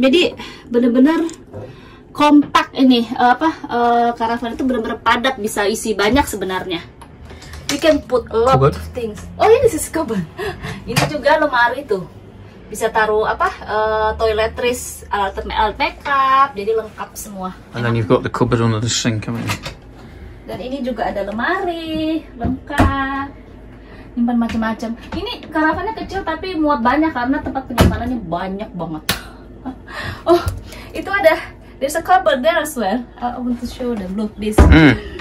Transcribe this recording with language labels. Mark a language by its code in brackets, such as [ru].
[id] Jadi benar-benar kompak ini, apa, caravan itu benar-benar padat, bisa isi banyak sebenarnya. [en] You can put a lot cupboard of things. [id] Oh, ini sih cupboard. Ini juga lemari tuh. Bisa taruh apa, toiletries, alat makeup, jadi lengkap semua. [en] And then you've got the cupboard under the sink, haven't you? [id] Dan ini juga ada lemari, lengkap. Nyimpan macam-macam. Ini caravannya kecil tapi muat banyak karena tempat penyimpanannya banyak banget. Oh, itu ada. [en] There's a cupboard there as well. I want to show them. Look this. Mm.